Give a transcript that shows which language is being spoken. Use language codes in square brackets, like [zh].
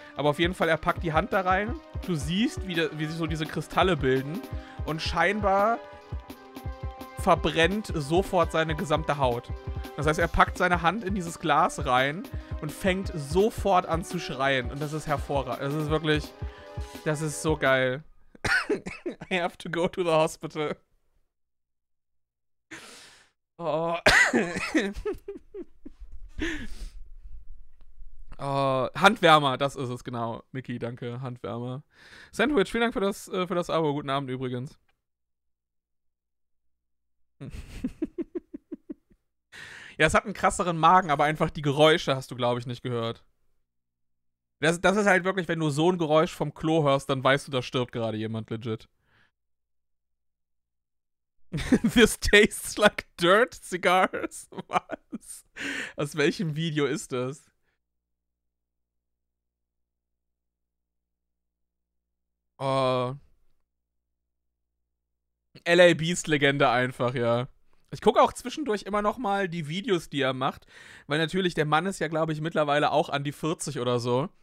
[de] Aber auf jeden Fall, er packt die Hand da rein. Du siehst, wie sich so diese Kristalle bilden. Und scheinbar verbrennt sofort seine gesamte Haut. Das heißt, er packt seine Hand in dieses Glas rein und fängt sofort an zu schreien. Und das ist hervorragend. Das ist wirklich, das ist so geil. [en] I have to go to the hospital. Oh. [de] Handwärmer, das ist es, genau. Mickey, danke, Handwärmer. Sandwich, vielen Dank für das Abo. Guten Abend übrigens. Ja, es hat einen krasseren Magen, aber einfach die Geräusche hast du, glaube ich, nicht gehört. Das ist halt wirklich, wenn du so ein Geräusch vom Klo hörst, dann weißt du, da stirbt gerade jemand legit. [en] This tastes like dirt cigars. [de] Was? Aus welchem Video ist das? LA Beast Legende einfach, ja. Ich gucke auch zwischendurch immer noch mal die Videos, die er macht, weil natürlich, der Mann ist ja, glaube ich, mittlerweile auch an die 40 oder so.